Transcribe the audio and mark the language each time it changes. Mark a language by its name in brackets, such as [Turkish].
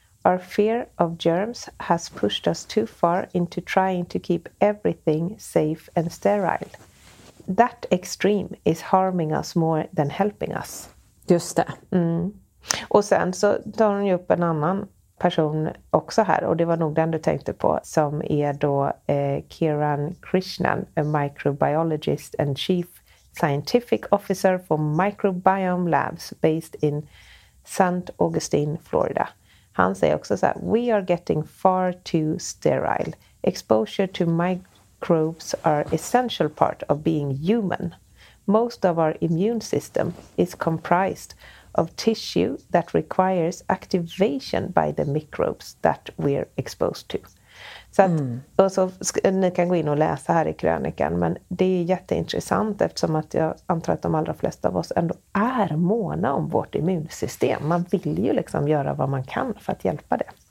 [English] Our fear of germs has pushed us too far into trying to keep everything safe and sterile. That extreme is harming us more than helping us. [Swedish] Just det. Mm. Och sen så tar hon ju upp en annan person också här. Och det var nog den du tänkte på. Som är då Kiran Krishnan, [English] a microbiologist and chief scientific officer for Microbiome Labs based in St. Augustine, Florida. [Swedish] Han säger också så här, [English] we are getting far too sterile. Exposure to microbes are essential part of being human. Most of our immune system is comprised of tissue that requires activation by the microbes that we're exposed to. [Swedish] Så att, och så, ni kan gå in och läsa här i krönikan, men det är jätteintressant eftersom att jag antar att de allra flesta av oss ändå är måna om vårt immunsystem. Man vill ju liksom göra vad man kan för att hjälpa det.